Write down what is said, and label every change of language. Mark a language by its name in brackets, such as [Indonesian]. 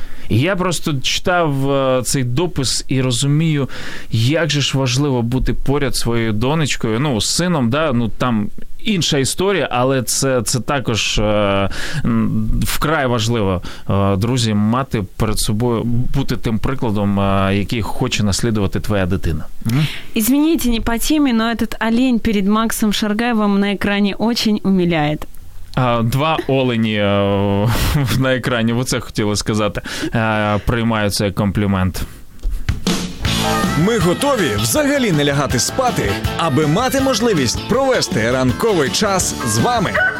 [Ukrainian] І я просто читав цей допис і розумію, як же ж важливо бути поряд своєю донечкою, ну, з сином, да, ну, там інша історія, але це також вкрай важливо, друзі, мати перед собою, бути тим прикладом, який хоче наслідувати твоя дитина. [Russian] Извините, не по темі, но этот олень перед Максом Шаргаевым [Ukrainian] на екрані [Russian] очень умиляет. [Ukrainian] Два олені на екрані, оце хотіла сказати, приймаю цей комплімент. Ми готові взагалі не лягати спати, аби мати можливість провести ранковий час з вами.